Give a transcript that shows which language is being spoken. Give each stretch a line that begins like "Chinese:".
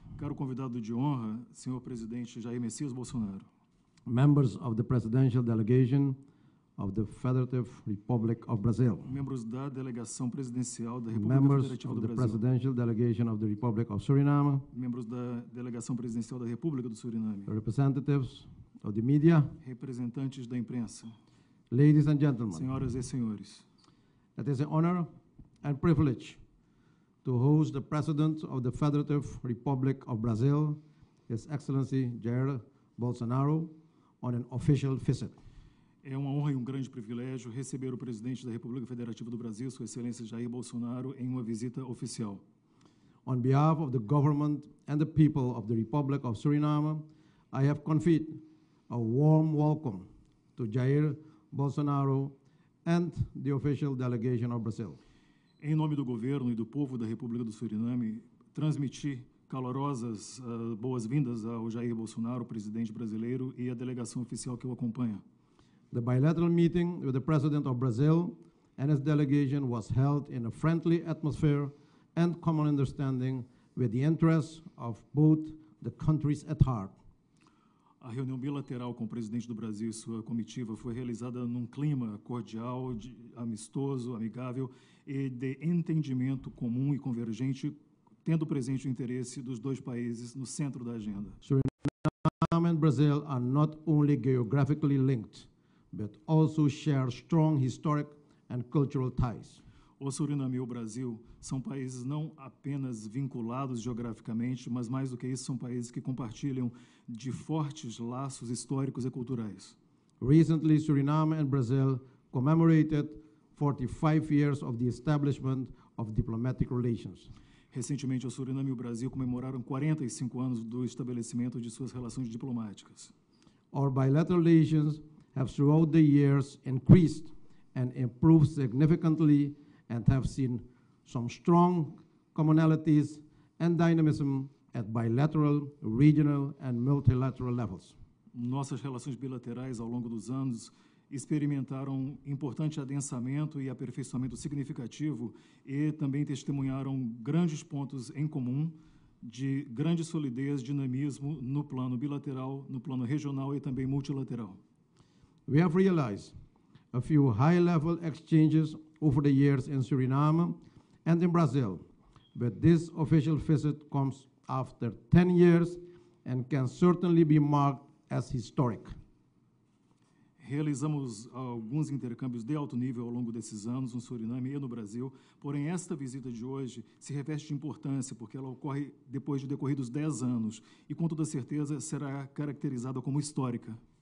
Portuguese: Caro convidado de honra, senhor presidente Jair Messias Bolsonaro.
English: Members of the presidential delegation of the Federative Republic of Brazil.
Portuguese: Membros da delegação presidencial da República Federativa do Brasil.
English: Members of the presidential delegation of the Republic of Suriname.
Portuguese: Membros da delegação presidencial da República do Suriname.
English: Representatives of the media.
Portuguese: Representantes da imprensa.
English: Ladies and gentlemen.
Portuguese: Senhoras e senhores.
English: It is an honor and privilege to host the President of the Federative Republic of Brazil, His Excellency Jair Bolsonaro, on an official visit.
Portuguese: É uma honra e um grande privilégio receber o presidente da República Federativa do Brasil, Sua Excelência Jair Bolsonaro, em uma visita oficial.
English: On behalf of the government and the people of the Republic of Suriname, I have conferred a warm welcome to Jair Bolsonaro and the official delegation of Brazil.
Portuguese: Em nome do governo e do povo da República do Suriname, transmiti calorosas boas-vindas ao Jair Bolsonaro, presidente brasileiro, e à delegação oficial que o acompanha.
English: The bilateral meeting with the President of Brazil and his delegation was held in a friendly atmosphere and common understanding with the interests of both the countries at heart.
Portuguese: A reunião bilateral com o presidente do Brasil e sua comitiva foi realizada num clima cordial, amistoso, amigável e de entendimento comum e convergente, tendo presente o interesse dos dois países no centro da agenda.
English: Suriname and Brazil are not only geographically linked, but also share strong historic and cultural ties.
Portuguese: O Suriname e o Brasil são países não apenas vinculados geograficamente, mas mais do que isso, são países que compartilham de fortes laços históricos e culturais.
English: Recently, Suriname and Brazil commemorated 45 years of the establishment of diplomatic relations.
Portuguese: Recentemente, o Suriname e o Brasil comemoraram 45 anos do estabelecimento de suas relações diplomáticas.
English: Our bilateral relations have throughout the years increased and improved significantly and have seen some strong commonalities and dynamism at bilateral, regional and multilateral levels.
Portuguese: Nossas relações bilaterais ao longo dos anos experimentaram importante adensamento e aperfeiçoamento significativo e também testemunharam grandes pontos em comum de grande solidez, dinamismo no plano bilateral, no plano regional e também multilateral.
English: We have realized a few high-level exchanges over the years in Suriname and in Brazil, but this official visit comes after 10 years and can certainly be marked as historic.
Portuguese: Realizamos alguns intercâmbios de alto nível ao longo desses anos no Suriname e no Brasil, porém esta visita de hoje se reveste de importância porque ela ocorre depois de decorridos 10 anos e com toda certeza será caracterizada como histórica.